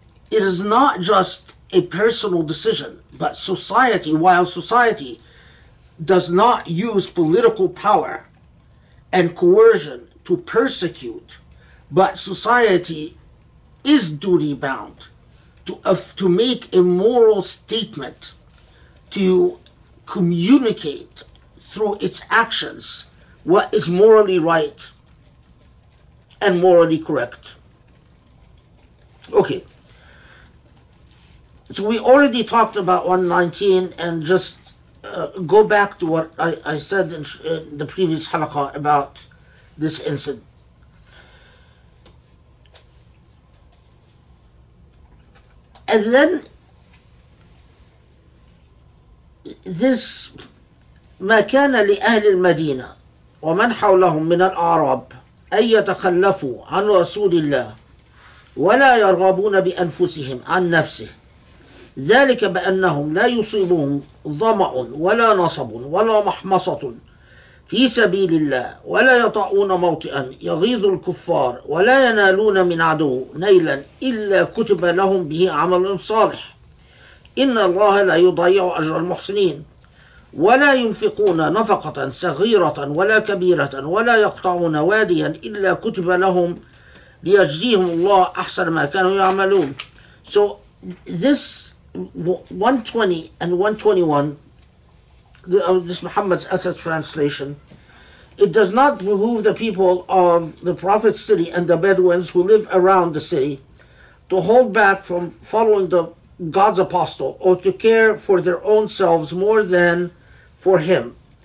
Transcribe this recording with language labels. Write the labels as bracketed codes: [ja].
[en] it is not just a personal decision, but society, while society does not use political power and coercion to persecute, but society is duty bound to make a moral statement, to communicate through its actions what is morally right and morally correct. Okay. So we already talked about 119, and just go back to what I said in the previous halaqa about this incident. And then this [ar] ما كان لأهل المدينة ومن حولهم من الأعراب أن يتخلفوا عن رسول الله ولا يرغبون بأنفسهم عن نفسه ذلك بأنهم لا يصيبهم ظمأ ولا نصب ولا محمصة في سبيل الله ولا يطؤون موطئا يغيظ الكفار ولا ينالون من عدو نيلا إلا كتب لهم به عمل صالح إن الله لا يضيع أجر المحسنين ولا ينفقون نفقة صغيرة ولا كبيرة ولا يقطعون واديا إلا كتب لهم ليجزيهم الله أحسن ما كانوا يعملون. [en] So this 120 and 121, this Muhammad's Asad translation, it does not behoove the people of the Prophet's city and the Bedouins who live around the city to hold back from following the God's apostle or to care for their own selves more than for him.